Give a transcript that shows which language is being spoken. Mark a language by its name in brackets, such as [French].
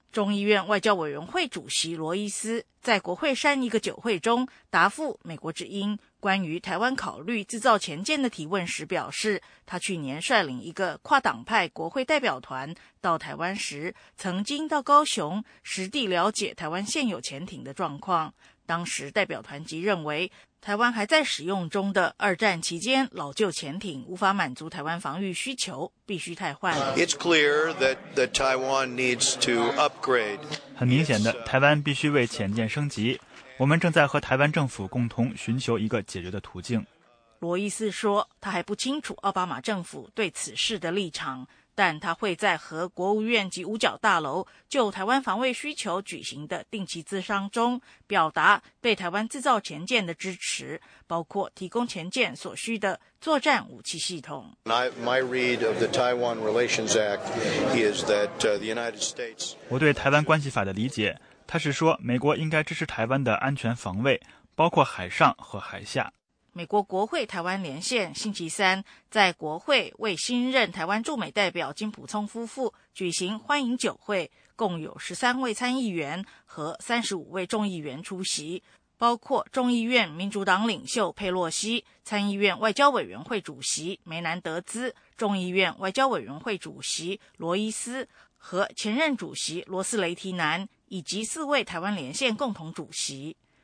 [Chinese] 众议院外交委员会主席罗伊斯在国会山一个酒会中答复美国之音关于台湾考虑制造潜舰的提问时表示，他去年率领一个跨党派国会代表团到台湾时，曾经到高雄实地了解台湾现有潜艇的状况。当时代表团即认为，台湾还在使用中的二战期间老旧潜艇无法满足台湾防御需求，必须汰换。 [English] It's clear that the Taiwan needs to upgrade. [Chinese] 很明显的，台湾必须为潜舰升级。我们正在和台湾政府共同寻求一个解决的途径。罗伊斯说，他还不清楚奥巴马政府对此事的立场，但他会在和国务院及五角大楼就台湾防卫需求举行的定期咨商中表达对台湾制造潜舰的支持，包括提供潜舰所需的作战武器系统。 [English] My read of the Taiwan Relations Act is that the United States [Chinese] 我对台湾关系法的理解，他是说美国应该支持台湾的安全防卫，包括海上和海下。美国国会台湾连线星期三在国会为新任台湾驻美代表金普聪夫妇举行欢迎酒会，共有13位参议员和35位众议员出席，包括众议院民主党领袖佩洛西、参议院外交委员会主席梅南德兹、众议院外交委员会主席罗伊斯和前任主席罗斯雷提南，以及4位台湾连线共同主席。